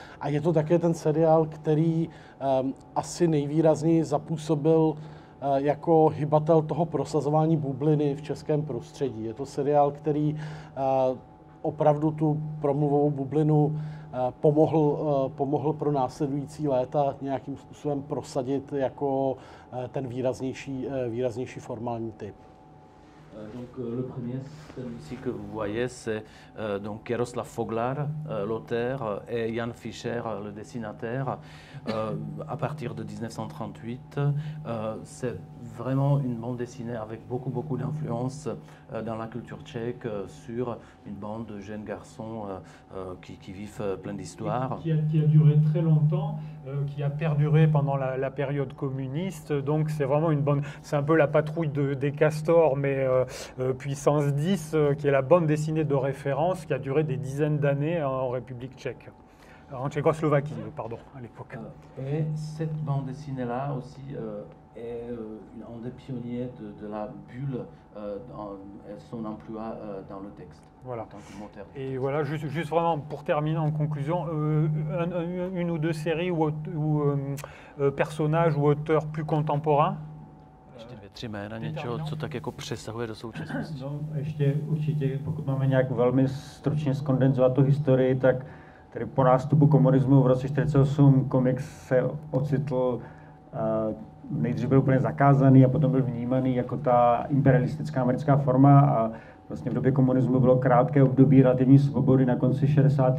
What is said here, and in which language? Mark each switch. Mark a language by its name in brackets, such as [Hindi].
[Czech] A je to také ten seriál, který asi nejvýrazněji zapůsobil jako hybatel toho prosazování bubliny v českém prostředí. Je to seriál, který opravdu tu promluvovou bublinu pomohl pro následující léta nějakým způsobem prosadit jako ten výraznější formální typ. [French] Donc le premier celui-ci que vous voyez c'est donc Jaroslav Foglar l'auteur et Jan Fischer le dessinateur à partir de 1938 c'est vraiment une bande dessinée avec beaucoup d'influence dans la culture tchèque sur une bande de jeunes garçons qui vivent plein d'histoires qui a duré très longtemps qui a perduré pendant la période communiste donc c'est vraiment une bande c'est un peu la patrouille des castors mais puissance 10, qui est la bande dessinée de référence, qui a duré des dizaines d'années en République tchèque, en Tchécoslovaquie, pardon, à l'époque. Et cette bande dessinée-là aussi est un des pionniers de la bulle, son emploi dans le texte. Voilà. En tant que monteur du texte. Voilà, juste vraiment pour terminer en conclusion, une ou deux séries ou personnages ou auteurs plus contemporains. [Czech] Ještě dvě, tři jména, něčeho, co tak jako přesahuje do současnosti. No, ještě určitě, pokud máme nějak velmi stručně zkondenzovat tu historii, tak tady po nástupu komunismu v roce 1948 komiks se ocitl, nejdřív byl úplně zakázaný a potom byl vnímaný jako ta imperialistická americká forma a vlastně v době komunismu bylo krátké období relativní svobody na konci 60.